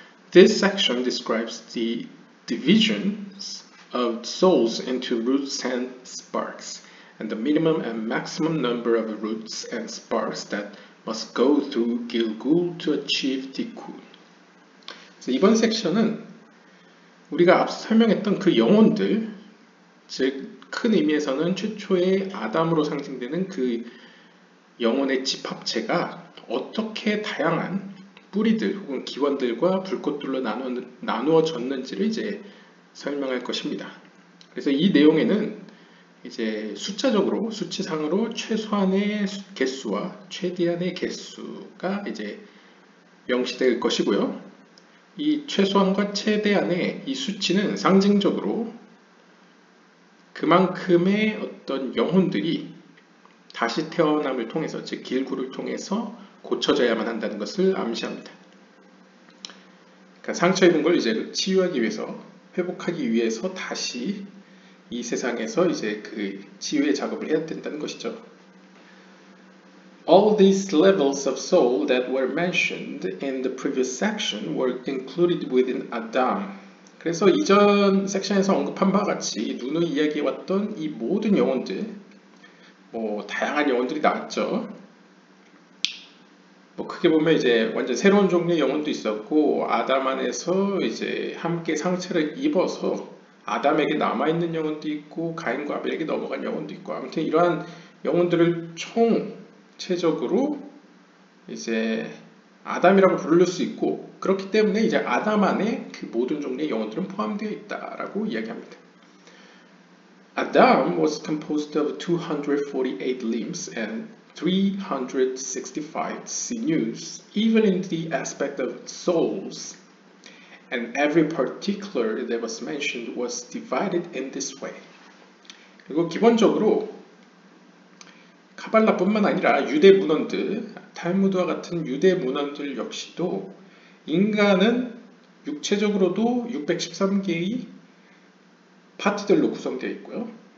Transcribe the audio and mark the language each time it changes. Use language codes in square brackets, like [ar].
[en] This section describes the divisions of souls into roots and sparks, and the minimum and maximum number of roots and sparks that must go through Gilgul to achieve Tikkun. [ko] 이번 섹션은 우리가 앞서 설명했던 그 영혼들, 즉큰 의미에서는 최초의 아담으로 상징되는 그 영혼의 집합체가 어떻게 다양한 뿌리들 혹은 기원들과 불꽃들로 나누어졌는지를 이제 설명할 것입니다. 그래서 이 내용에는 이제 숫자적으로, 수치상으로 최소한의 개수와 최대한의 개수가 이제 명시될 것이고요. 이 최소한과 최대한의 이 수치는 상징적으로 그만큼의 어떤 영혼들이 다시 태어남을 통해서, 즉 길구를 통해서 고쳐져야만 한다는 것을 암시합니다. 그러니까 상처 입은 걸 이제 치유하기 위해서, 회복하기 위해서 다시 이 세상에서 이제 그 치유의 작업을 해야 된다는 것이죠. [en] All these levels of soul that were mentioned in the previous section were included within Adam. [ko] 그래서 이전 섹션에서 언급한 바와 같이 누누이 이야기해왔던 이 모든 영혼들, 뭐 다양한 영혼들이 나왔죠. 뭐 크게 보면 이제 완전 새로운 종류의 영혼도 있었고, 아담 안에서 이제 함께 상처를 입어서 아담에게 남아있는 영혼도 있고, 가인과 아벨에게 넘어간 영혼도 있고, 아무튼 이러한 영혼들을 총체적으로 이제 아담이라고 부를 수 있고, 그렇기 때문에 이제 아담 안에 그 모든 종류의 영혼들은 포함되어 있다라고 이야기합니다. [en] Adam was composed of 248 limbs and 365 sinews, even in the aspect of souls. And every particular that was mentioned was divided in this way. [ko] 그리고 기본적으로 카발라뿐만 아니라 유대 문헌들, 탈무드와 같은 유대 문헌들 역시도 인간은 육체적으로도 613개의 파트들로 구성되어 있고요.